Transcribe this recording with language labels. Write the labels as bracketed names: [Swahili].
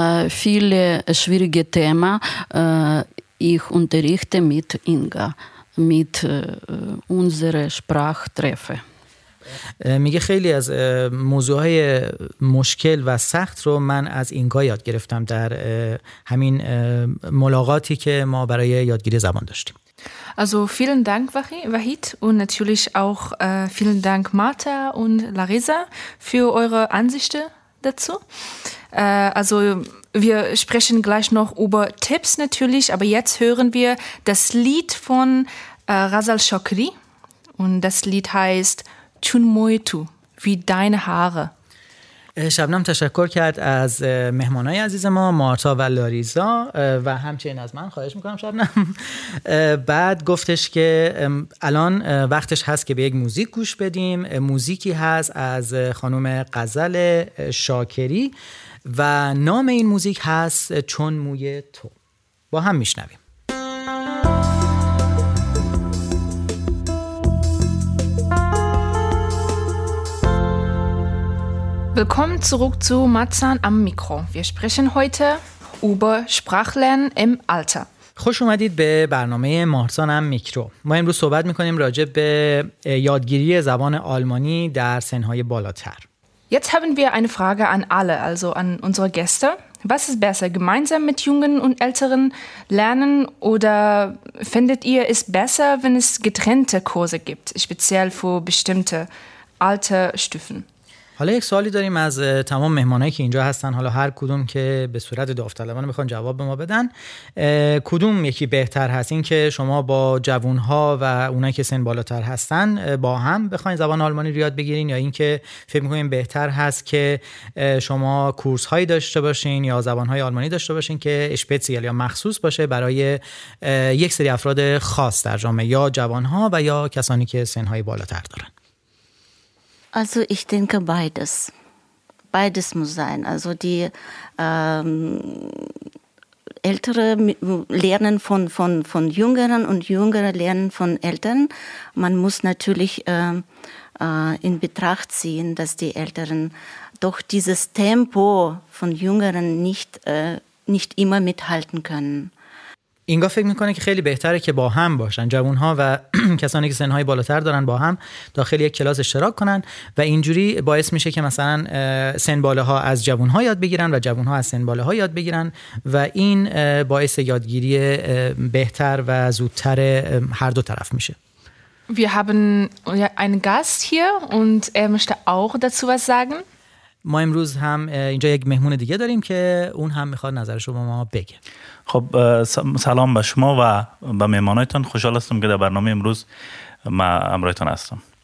[German] فیل شویرگ تیما ایخ انتریخته میت اینگا میت اونزر اشپراخ تغفه. [Persian] میگه خیلی از موضوعهای مشکل و سخت رو من از اینگا یاد گرفتم در همین ملاقاتی که ما برای یادگیری زبان داشتیم. [German] Also vielen Dank Wahid und natürlich auch vielen Dank Marta und Larisa für eure Ansichten dazu. Also wir sprechen gleich noch über Tipps natürlich, aber jetzt hören wir das Lied von Razal Shokri und das Lied heißt چون موی تو وی دین هاره. [Persian] شبنم تشکر کرد از مهمانای عزیز ما مارتا و لاریزا و همچنین از من، خواهش میکنم شبنم. بعد گفتش که الان وقتش هست که به یک موزیک گوش بدیم. موزیکی هست از خانم غزل شاکری و نام این موزیک هست چون موی تو. با هم میشنویم. [German] Willkommen zurück zu Marzahn am Mikro. Wir sprechen heute über Sprachlernen im Alter. [Persian] خوش اومدید به برنامه مارسان هم میکرو. ما امروز صحبت میکنیم راجع به یادگیری زبان آلمانی در سنهای بالاتر. [German] Jetzt haben wir eine Frage an alle, also an unsere Gäste. Was ist besser, gemeinsam mit Jungen und Älteren lernen oder findet ihr es besser, wenn es getrennte Kurse gibt, speziell für bestimmte Altersstufen? [Persian] حالا یک سوالی داریم از تمام مهمانایی که اینجا هستن، حالا هر کدوم که به صورت داوطلبانه بخوان جواب به ما بدن، کدوم یکی بهتر هست، این که شما با جوانها و اونایی که سن بالاتر هستن با هم بخواین زبان آلمانی رو یاد بگیرین، یا این که فکر می‌کنین بهتر هست که شما کورس‌هایی داشته باشین یا زبان‌های آلمانی داشته باشین که اسپشیال یا مخصوص باشه برای یک سری افراد خاص در جامعه، یا جوان‌ها و یا کسانی که سن‌های بالاتر دارن؟ [German] Also ich denke beides. Beides muss sein. Also die Ältere lernen von Jüngeren und Jüngere lernen von Eltern. Man muss natürlich in Betracht ziehen, dass die Älteren doch dieses Tempo von Jüngeren nicht immer mithalten können. [Persian] اینگا فکر میکنه که خیلی بهتره که با هم باشن، جوانها و کسانی که سنهای بالاتر دارن با هم داخل یک کلاس اشتراک کنن و اینجوری باعث میشه که مثلا سن بالاها از جوانها یاد بگیرن و جوانها از سن بالاها یاد بگیرن و این باعث یادگیری بهتر و زودتر هر دو طرف میشه. [German] Wir haben einen Gast hier und er möchte auch dazu was sagen. [Persian] ما امروز هم اینجا یک مهمون دیگه داریم که اون هم میخواد نظرش رو با ما بگه. خب سلام به شما و به مهمانایتون، خوشحال هستم که در برنامه امروز ما امرایتون هستم.